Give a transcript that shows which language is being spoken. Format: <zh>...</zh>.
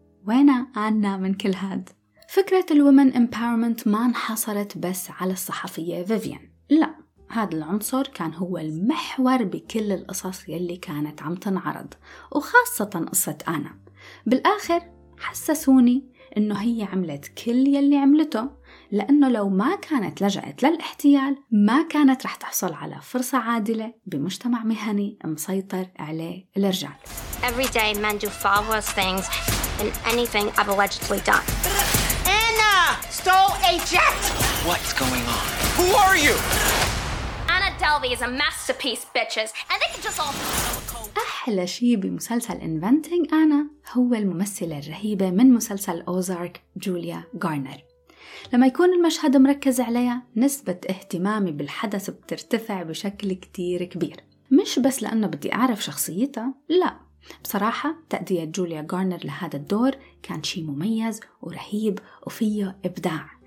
<ar>وين أنا من كل هاد؟ فكرة الومن امباورمنت ما انحصرت بس على الصحفية فيفيان، لا، هذا العنصر كان هو المحور بكل القصص يلي كانت عم تنعرض، وخاصة قصة أنا. بالآخر حسسوني أنه هي عملت كل يلي عملته، لأنه لو ما كانت لجأت للاحتيال ما كانت رح تحصل على فرصة عادلة بمجتمع مهني مسيطر عليه الرجال.</ar> <en>Every day men do far worse things than anything I've allegedly done. Anna stole a jet. What's going on? Who are you? Anna Delvey is a masterpiece, bitches, and they can just all.</en> <ar>أحلى شيء بمسلسل Inventing Anna هو الممثلة الرهيبة من مسلسل أوزارك جوليا غارنر. لما يكون المشهد مركز عليها نسبة اهتمامي بالحدث بترتفع بشكل كتير كبير، مش بس لأنه بدي أعرف شخصيتها، لا، بصراحة تأدية جوليا غارنر لهذا الدور كان شيء مميز ورهيب وفيه إبداع.</ar>